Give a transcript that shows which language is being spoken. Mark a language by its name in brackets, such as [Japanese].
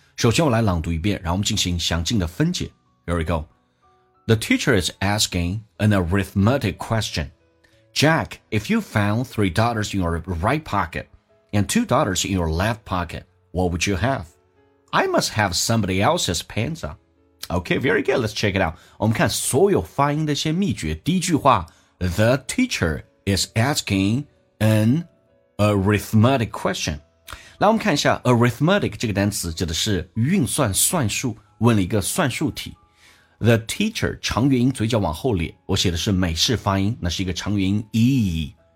[Chinese] 首先我来朗读一遍，然后我们进行详尽的分解。 [English] Here we go. The teacher is asking an arithmetic question. Jack, if you found three dollars in your right pocket and two dollars in your left pocket, what would you have? I must have somebody else's pants on. Okay, very good, let's check it out. [Chinese] 我们看所有发音的一些秘诀。第一句话， [English] The teacher is asking an arithmetic question. [Chinese] 来，我们看一下 arithmetic 这个单词指的是运算、算术，问了一个算术题。 [English] The teacher [Chinese] 长元音嘴角往后咧，我写的是美式发音，那是一个长元音 e.